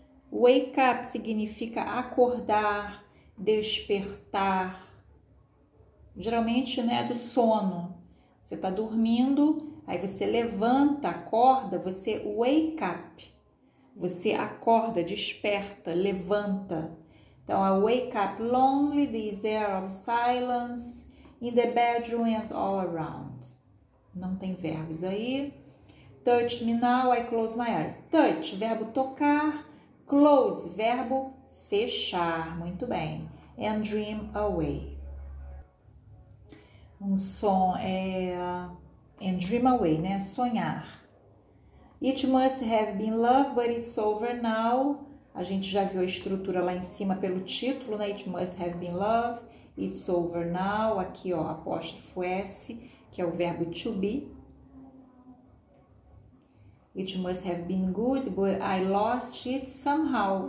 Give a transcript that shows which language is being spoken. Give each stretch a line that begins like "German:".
Portuguese: Wake up significa acordar, despertar. Geralmente, né, do sono. Você tá dormindo, aí você levanta, acorda, você wake up. Você acorda, desperta, levanta.
English: Então, I wake up lonely, this air of silence, in the bedroom and all around.
Portuguese: Não tem verbos aí.
English: Touch me now, I close my eyes.
Portuguese: Touch, verbo tocar. Close, verbo fechar. Muito bem.
English: And dream away.
Portuguese: Um som é...
English: And dream away,
Portuguese: né? Sonhar.
English: It must have been love, but it's over now.
Portuguese: A gente já viu a estrutura lá em cima pelo título, né?
English: It must have been love. It's over now.
Portuguese: Aqui, ó, apóstrofo S, que é o verbo to be.
English: It must have been good, but I lost it somehow.